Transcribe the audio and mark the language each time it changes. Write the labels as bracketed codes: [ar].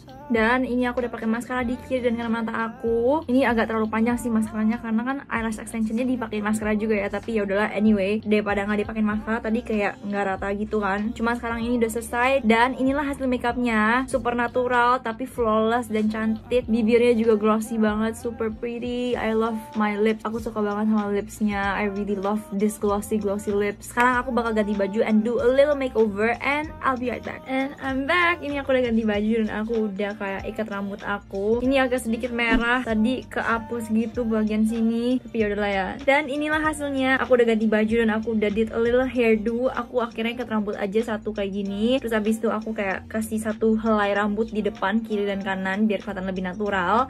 [id] Dan ini aku udah pakai maskara di kiri dan kanan mata aku. Ini agak terlalu panjang sih maskaranya, karena kan eyelash extensionnya dipakai maskara juga ya. Tapi ya udahlah, anyway, daripada nggak dipakai maskara tadi kayak nggak rata gitu kan. Cuma sekarang ini udah selesai dan inilah hasil makeupnya. Super natural tapi flawless dan cantik. Bibirnya juga glossy banget, [en] super pretty. I love my lips. [id] Aku suka banget sama lipsnya. [en] I really love this glossy glossy lips. [id] Sekarang aku bakal ganti baju [en] and do a little makeover and I'll be right back. And I'm back. [id] Ini aku udah ganti baju dan aku udah kayak ikat rambut aku. Ini agak sedikit merah, tadi kehapus gitu bagian sini, tapi yaudahlah ya. Dan inilah hasilnya, aku udah ganti baju dan aku udah [en] did a little hairdo. [id] Aku akhirnya ikat rambut aja satu kayak gini. Terus abis itu aku kayak kasih satu helai rambut di depan, kiri dan kanan, biar kelihatan lebih natural.